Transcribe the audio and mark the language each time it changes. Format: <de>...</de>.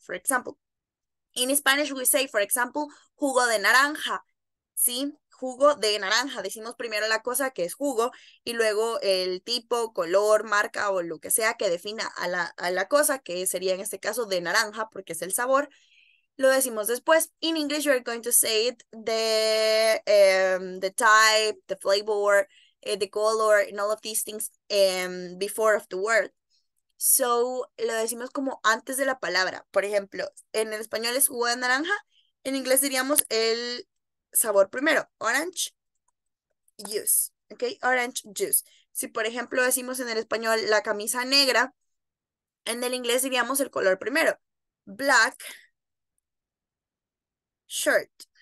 <en>For example, in Spanish we say, for example,</en> <es>jugo de naranja.</es> <en>¿Sí?</en> <es>Jugo de naranja. Decimos primero la cosa que es jugo y luego el tipo, color, marca o lo que sea que defina a la cosa, que sería en este caso de naranja porque es el sabor, lo decimos después.</es> <en>In English you're going to say it the type, the flavor, the color, and all of these things before of the word.</en> <es>So, lo decimos como antes de la palabra. Por ejemplo, en el español es jugo de naranja, en inglés diríamos el sabor primero, orange juice, ¿ok? Orange juice. Si, por ejemplo, decimos en el español la camisa negra, en el inglés diríamos el color primero, black shirt.</es>